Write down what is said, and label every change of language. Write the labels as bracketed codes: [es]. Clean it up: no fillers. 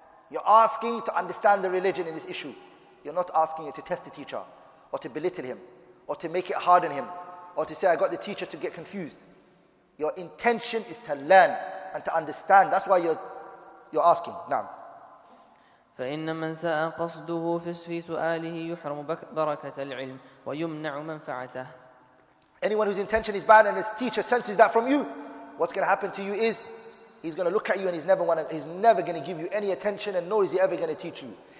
[en] You're asking to understand the religion in this issue. You're not asking it to test the teacher or to belittle him or to make it hard on him or to say I got the teacher to get confused. Your intention is to learn and to understand. That's why you're asking. [ar] نعم. فإن من ساء قصده في سؤاله يحرم بركة العلم ويمنع منفعته. [en] Anyone whose intention is bad and his teacher senses that from you, what's going to happen to you is he's going to look at you and he's never going to give you any attention and nor is he ever going to teach you.